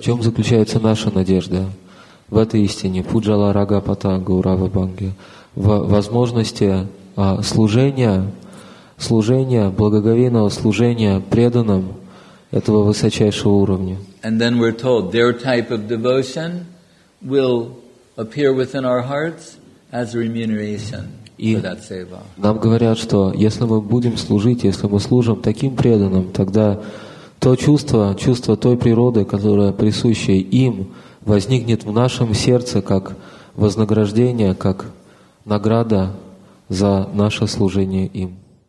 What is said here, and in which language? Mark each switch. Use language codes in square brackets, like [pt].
[ru] В чем заключается наша надежда? В этой истине. Пуджала Рагапата Гаурава Бханге. В возможности служения, благоговейного служения преданным этого высочайшего уровня. [en] And then we're told their type of devotion will appear within our hearts as remuneration for that seva. [ru] Нам говорят, что если мы будем служить, если мы служим таким преданным, тогда то чувство той природы, которая присуща им, возникнет в нашем сердце как вознаграждение, как награда за наше служение им.